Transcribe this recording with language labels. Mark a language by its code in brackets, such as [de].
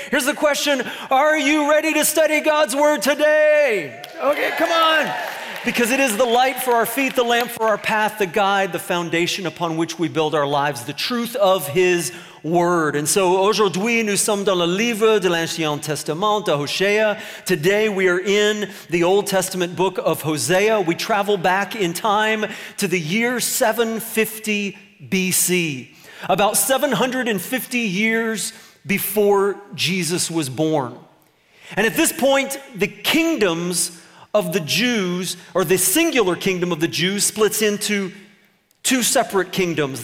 [en] Here's the question, are you ready to study God's word today? Okay, come on. Because it is the light for our feet, the lamp for our path, the guide, the foundation upon which we build our lives, the truth of His word. And so [fr] aujourd'hui, nous sommes dans le livre de l'Ancien Testament, de Hosea. [en] Today, we are in the Old Testament book of Hosea. We travel back in time to the year 750 BC, about 750 years before Jesus was born. And at this point, the kingdoms of the Jews, or the singular kingdom of the Jews, splits into two separate kingdoms.